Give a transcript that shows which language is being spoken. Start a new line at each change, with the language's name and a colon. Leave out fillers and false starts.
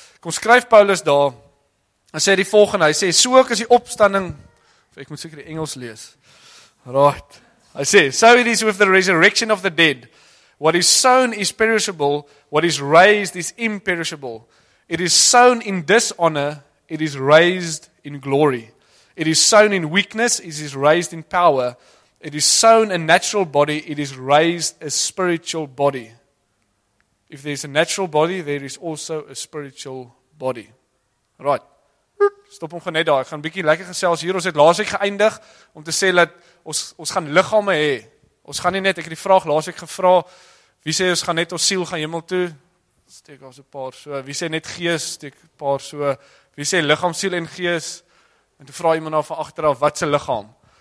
Afrikaans: Kom skryf Paulus daar, en sê die volgende, hy sê, so ook is die opstanding, ek moet seker die Engels lees.
English: Right,
Afrikaans: hy sê,
English: so it is with the resurrection of the dead. What is sown is perishable, what is raised is imperishable. It is sown in dishonor, it is raised in glory. It is sown in weakness, it is raised in power. It is sown a natural body, it is raised a spiritual body. If there is a natural body, there is also a spiritual body. Right.
Afrikaans: Stop hom gou net daar. Ek gaan 'n bietjie lekker gesels hier. Ons het laasweek geëindig om te sê dat ons gaan liggame hê. Ons gaan nie net, ek het die vraag laasweek gevra, wie sê ons gaan net ons siel gaan hemel toe? Steek daar so 'n paar so. Wie sê net gees? Steek 'n paar so. Wie sê liggaam, siel en gees? En toe vraag iemand af van agteraf, wat se liggaam?